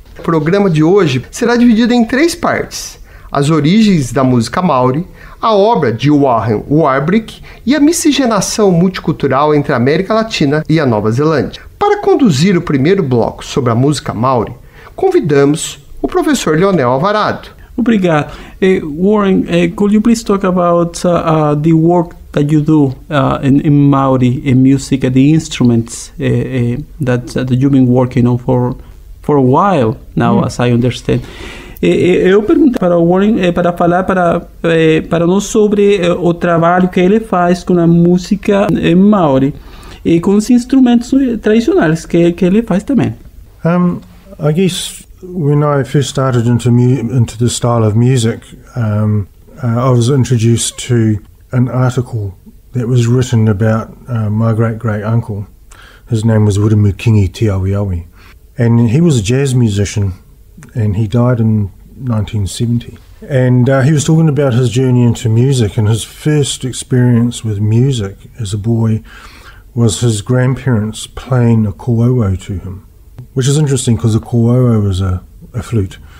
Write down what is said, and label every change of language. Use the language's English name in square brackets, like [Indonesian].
[Portuguese] O programa de hoje será dividido em três partes: as origens da música Maori, a obra de Warren Warbrick e a miscigenação multicultural entre a América Latina e a Nova Zelândia. Para conduzir o primeiro bloco sobre a música Maori, convidamos o professor Leonel Alvarado. Obrigado. [English] Warren, could you please talk about the work that you do in Maori music, the instruments that you've been working on for a while now, as I understand? [Portuguese] Eu perguntei para o Warren para falar para nós sobre o trabalho que ele faz com a música Maori e com os instrumentos tradicionais que ele faz também. [English] I guess when I first started into the style of music, I was introduced to an article that was written about my great uncle. His name was Wurumukingi Te Awi Awi, and he was a jazz musician, and he died in 1970, and he was talking about his journey into music, and his first experience with music as a boy was his grandparents playing a kōʻauau to him, which is interesting because a kōʻauau was a flute.